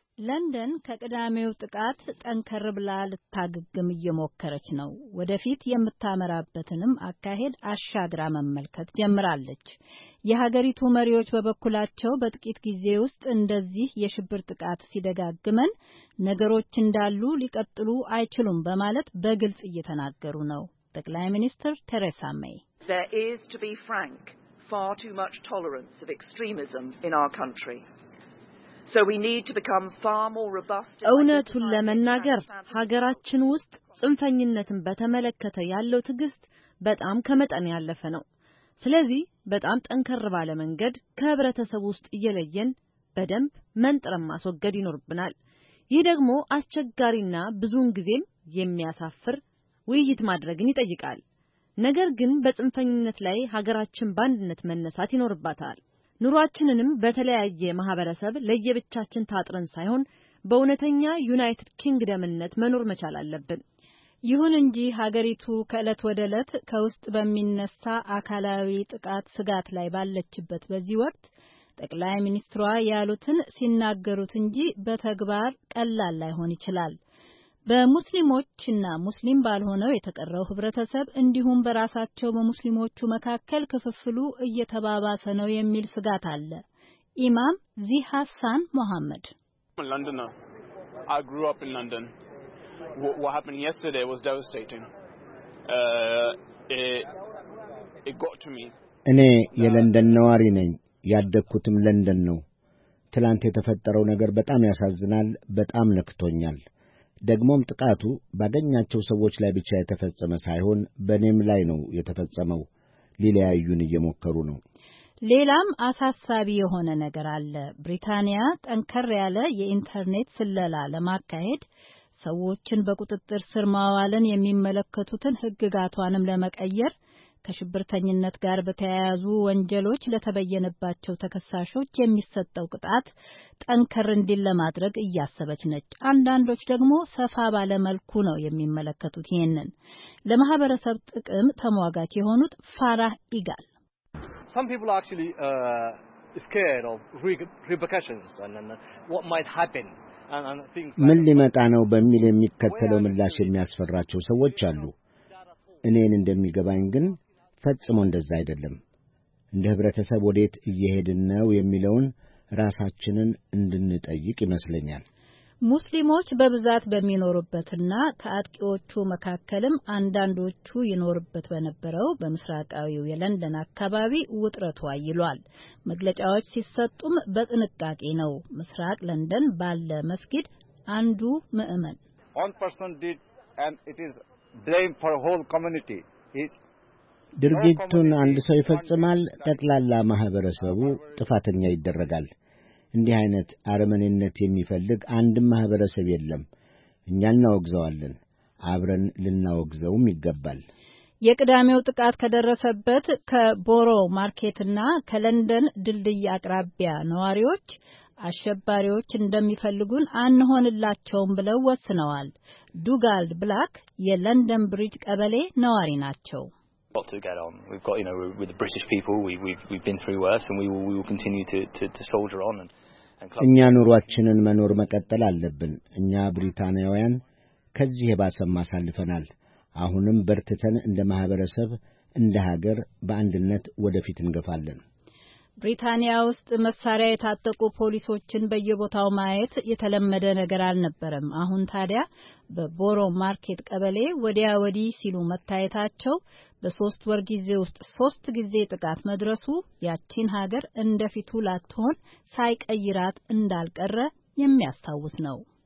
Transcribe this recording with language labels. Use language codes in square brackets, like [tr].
[am] ለንደን ከቀዳሚው ጥቃት ጠንከር ብላ ልታግግም እየሞከረች ነው። ወደፊት የምታመራበትንም አካሄድ አሻግራ መመልከት ጀምራለች። የሀገሪቱ መሪዎች በበኩላቸው በጥቂት ጊዜ ውስጥ እንደዚህ የሽብር ጥቃት ሲደጋግመን ነገሮች እንዳሉ ሊቀጥሉ አይችሉም በማለት በግልጽ እየተናገሩ ነው። ጠቅላይ ሚኒስትር ቴሬሳ ሜይ [en] There is to be frank far too much tolerance of extremism in our country. So we need to become far more robust. [am] እውነቱን ለመናገር ሀገራችን ውስጥ ጽንፈኝነትን በተመለከተ ያለው ትግስት በጣም ከመጠን ያለፈ ነው። ስለዚህ በጣም ጠንከር ባለ መንገድ ከህብረተሰብ ውስጥ እየለየን በደንብ መንጠረም ማስወገድ ይኖርብናል። ይህ ደግሞ አስቸጋሪና ብዙውን ጊዜም የሚያሳፍር ውይይት ማድረግን ይጠይቃል። ነገር ግን በጽንፈኝነት ላይ ሀገራችን ባንድነት መነሳት ይኖርባታል። ኑሯችንንም በተለያየ ማህበረሰብ ለየብቻችን ታጥረን ሳይሆን በእውነተኛ ዩናይትድ ኪንግደምነት መኖር መቻል አለብን። ይሁን እንጂ ሀገሪቱ ከእለት ወደ እለት ከውስጥ በሚነሳ አካላዊ ጥቃት ስጋት ላይ ባለችበት በዚህ ወቅት ጠቅላይ ሚኒስትሯ ያሉትን ሲናገሩት እንጂ በተግባር ቀላል ላይሆን ይችላል። በሙስሊሞችና ሙስሊም ባልሆነው የተቀረው ህብረተሰብ እንዲሁም በራሳቸው በሙስሊሞቹ መካከል ክፍፍሉ እየተባባሰ ነው የሚል ስጋት አለ። ኢማም ዚ ሐሳን መሐመድ [en] ለንደን I grew up in London. What happened yesterday was devastating. It got to me. [am] እኔ የለንደን ነዋሪ ነኝ። ያደኩትም ለንደን ነው። ትላንት የተፈጠረው ነገር በጣም ያሳዝናል። በጣም ነክቶኛል። ደግሞም ጥቃቱ ባገኛቸው ሰዎች ላይ ብቻ የተፈጸመ ሳይሆን በኔም ላይ ነው የተፈጸመው። ሊለያዩን እየሞከሩ ነው። ሌላም አሳሳቢ የሆነ ነገር አለ። ብሪታንያ ጠንከር ያለ የኢንተርኔት ስለላ ለማካሄድ ሰዎችን በቁጥጥር ስር ማዋልን የሚመለከቱትን ህግጋቷንም ለመቀየር ከሽብርተኝነት ጋር በተያያዙ ወንጀሎች ለተበየነባቸው ተከሳሾች የሚሰጠው ቁጣት ጠንከር እንዲል ለማድረግ እያሰበች ነች። አንዳንዶች ደግሞ ሰፋ ባለ መልኩ ነው የሚመለከቱት ይሄንን። ለማህበረሰብ ጥቅም ተሟጋች የሆኑት ፋራህ ኢጋል [en] Some people are actually scared of repercussions and what might happen and things like [am] ምን ሊመጣ ነው በሚል የሚከተለው ምላሽ የሚያስፈራቸው ሰዎች አሉ። እኔን እንደሚገባኝ ግን ፈጽሞ እንደዛ አይደለም። እንደ ህብረተሰብ ወዴት እየሄድን ነው የሚለውን ራሳችንን እንድንጠይቅ ይመስለኛል። ሙስሊሞች በብዛት በሚኖሩበትና ከአጥቂዎቹ መካከለም አንዳንዶቹ ይኖርበት በነበረው በመስራቃዊው የለንደን አካባቢ ውጥረቱ አይሏል። መግለጫዎች ሲሰጡም በጥንቃቄ ነው። መስራቅ ለንደን ባለ መስጊድ አንዱ ምእመን [en] One person did and it is blame for whole community is [am] ድርጊቱን አንድ ሰው ይፈጽማል፣ ጠቅላላ ማህበረሰቡ ጥፋተኛ ይደረጋል። እንዲህ አይነት አረመኔነት የሚፈልግ አንድም ማህበረሰብ የለም። እኛ እናወግዘዋለን፣ አብረን ልናወግዘውም ይገባል። የቅዳሜው ጥቃት ከደረሰበት ከቦሮ ማርኬትና ከለንደን ድልድይ አቅራቢያ ነዋሪዎች አሸባሪዎች እንደሚፈልጉን አንሆንላቸውም ብለው ወስነዋል። ዱጋልድ ብላክ የለንደን ብሪጅ ቀበሌ ነዋሪ ናቸው። [en] Got to get on. We've got, you know, with the British people, we've been through worse, and we will continue to soldier on. [am] እኛ ኑሯችንን መኖር መቀጠል አለብን። እኛ ብሪታንያውያን ከዚህ የባሰም አሳልፈናል። አሁንም በርትተን እንደ ማህበረሰብ እንደ ሀገር በአንድነት ወደፊት እንገፋለን። ብሪታንያ ውስጥ መሳሪያ የታጠቁ ፖሊሶችን በየቦታው ማየት የተለመደ ነገር አልነበረም። አሁን ታዲያ በቦሮ ማርኬት ቀበሌ ወዲያ ወዲህ ሲሉ መታየታቸው በሶስት ወር ጊዜ ውስጥ ሶስት ጊዜ ጥቃት መድረሱ ያቺን ሀገር እንደፊቱ ላትሆን ሳይቀይራት እንዳልቀረ የሚያስታውስ ነው።